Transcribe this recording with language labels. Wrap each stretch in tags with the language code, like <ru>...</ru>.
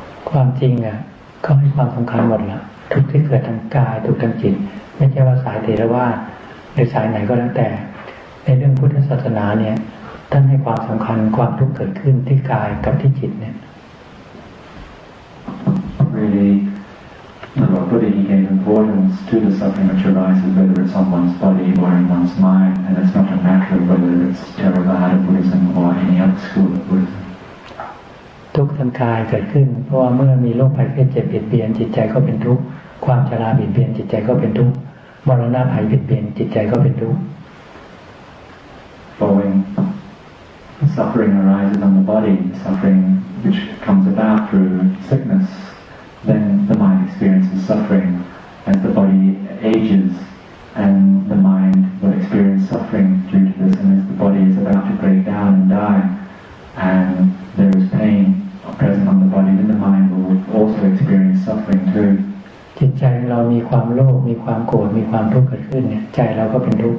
<th>ความจริงอ่ะก็ให้ความสำคัญหมดละทุกที่เกิดทางกายทุกทางจิตไม่ใช่ว่าสายเถรวาทในสายไหนก็แล้วแต่ในเรื่องพุทธศาสนาเนี่ยท่านให้ความสำคัญความทุกข์เกิดขึ้นที่กายกับที่จิตเนี่ย</th> <en>Really, the Buddha he gave a importance to the suffering which arises, whether it's on one's body or in one's mind, and it's not a matter of whether it's Theravada Buddhism or any other school of Buddhism.</en> <th>ทุกข์ทางกายเกิดขึ้นเพราะว่าเมื่อมีโรคภัยไข้เจ็บเปลี่ยนแปลงจิตใจก็เป็นทุกข์ความชราเปลี่ยนแปลงจิตใจก็เป็นทุกข์มรณะภัยเปลี่ยนจิตใจก็เป็นทุกข์</th> <en>Following suffering arises on the body, suffering which comes about through sickness, then the mind experiences suffering as the body ages, and the mind will experience suffering due to this, and as the body is about to break down and die, andThere is pain present on the body, then the mind will also experience suffering too.</en> <th>จิตใจเรามีความโลภมีความโกรธมีความทุกข์เกิดขึ้นเนี่ยใจเราก็เป็นทุกข</th>